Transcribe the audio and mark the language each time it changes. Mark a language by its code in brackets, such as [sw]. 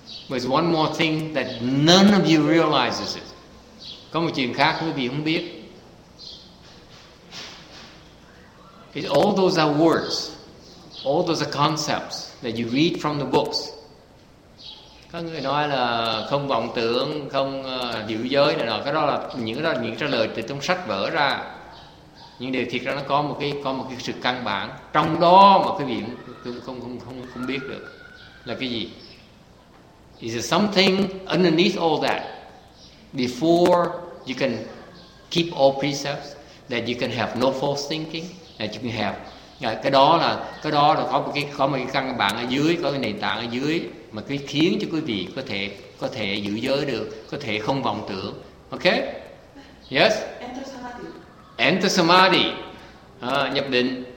[en] There's one more thing that none of you realizes it. [vi] Có một chuyện khác quý vị không biết. [en] It's all those are words. All those are concepts that you read from the books. [vi] Có người nói là không vọng tưởng, không hiểu giới này nọ. Cái đó là những đó là những trả lời từ trong sách vở ra. Nhưng điều thiệt ra nó có một cái sự căn bản trong đó mà quý vị không biết được. Là cái gì? [en] Is there something underneath all that? Before you can keep all precepts, that you can have no false thinking, that you can have [vi] cái đó là có một cái căn bản ở dưới, có cái nền tảng ở dưới mà cái khiến cho quý vị có thể giữ giới được, có thể không vọng tưởng. [en] Ok, yes, enter samadhi, [vi] nhập định.